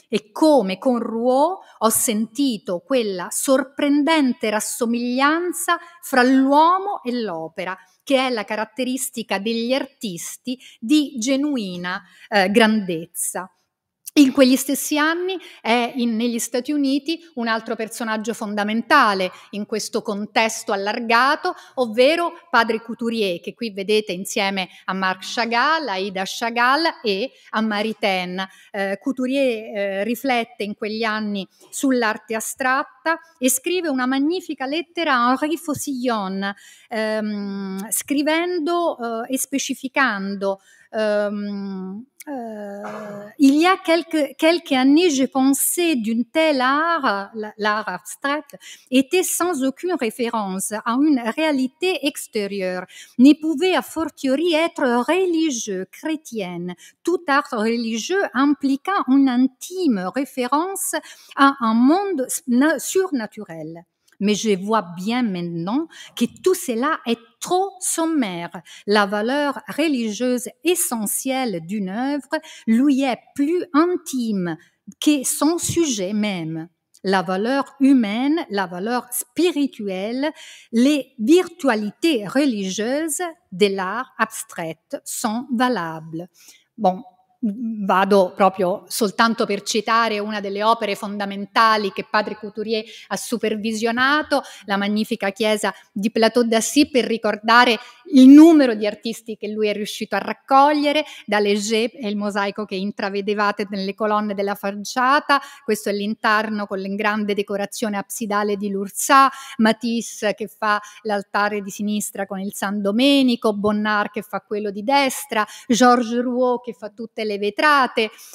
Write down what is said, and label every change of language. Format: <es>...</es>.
<it>E come con Rouault ho sentito quella sorprendente rassomiglianza fra l'uomo e l'opera, che è la caratteristica degli artisti di genuina grandezza. In quegli stessi anni è negli Stati Uniti un altro personaggio fondamentale in questo contesto allargato, ovvero Padre Couturier, che qui vedete insieme a Marc Chagall, a Ida Chagall e a Marie Ten. Couturier riflette in quegli anni sull'arte astratta e scrive una magnifica lettera a Henri Faucillon, scrivendo e specificando</it> <fr>il y a quelques années, je pensais d'une telle art, l'art abstrait, était sans aucune référence à une réalité extérieure, ne pouvait a fortiori être religieux, chrétienne. Tout art religieux impliquant une intime référence à un monde surnaturel. Mais je vois bien maintenant que tout cela est trop sommaire. La valeur religieuse essentielle d'une œuvre lui est plus intime que son sujet même. La valeur humaine, la valeur spirituelle, les virtualités religieuses de l'art abstrait sont valables. Bon.</fr> <it>Vado proprio soltanto per citare una delle opere fondamentali che Padre Couturier ha supervisionato, la magnifica chiesa di Plateau d'Assy, per ricordare il numero di artisti che lui è riuscito a raccogliere, da Léger e il mosaico che intravedevate nelle colonne della facciata, questo è l'interno con la grande decorazione absidale di Lursat, Matisse che fa l'altare di sinistra con il San Domenico, Bonnard che fa quello di destra, Georges Rouault che fa tutte le vetrate,</it>